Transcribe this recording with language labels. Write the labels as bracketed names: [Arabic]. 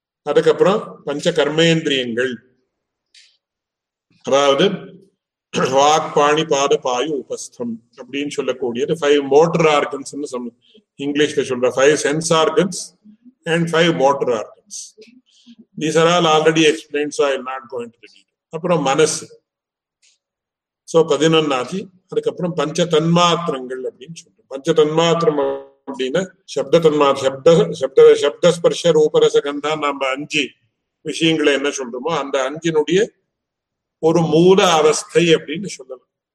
[Tamil] அதுக்கப்புறம் பஞ்ச கர்மேந்திரியங்கள், அதாவது வாக், பாணி, பாத, பாயு, உபஸ்தம் அப்படின்னு சொல்லக்கூடியது. [English] 5 motor organs [Tamil] இங்கிலீஷ்ல சொல்ற, [English] 5 sense organs and 5 motor organs. These are all already explained, so I am not going to repeat. [Tamil] அப்புறம் மனசு. So, 11 அதுக்கப்புறம் பஞ்ச தன்மாத்திரங்கள் அப்படின்னு சொல்றோம். பஞ்ச தன்மாத்திரம் அப்படின்னா சப்தஸ்பர்ஷ ரூபரச கந்தா, நம்ம 5 விஷயங்களை என்ன சொல்றோமோ அந்த 5 ஒரு மூல அவஸ்தை அப்படின்னு சொல்லணும்.